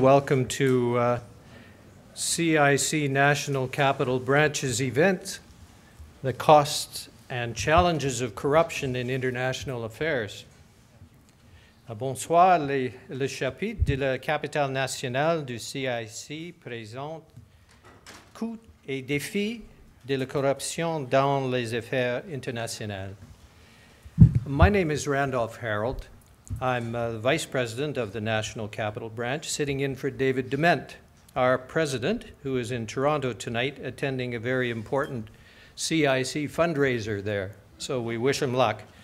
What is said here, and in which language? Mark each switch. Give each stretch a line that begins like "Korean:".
English: Welcome to CIC National Capital Branch's event, The Costs and Challenges of Corruption in International Affairs.
French: Bonsoir, le chapitre de la capitale nationale du CIC présente coûts et défis de la corruption dans les affaires internationales.
English: My name is Randolph Harold. I'm the Vice President of the National Capital Branch, sitting in for David Dement, our President, who is in Toronto tonight, attending a very important CIC fundraiser there. So we wish him luck.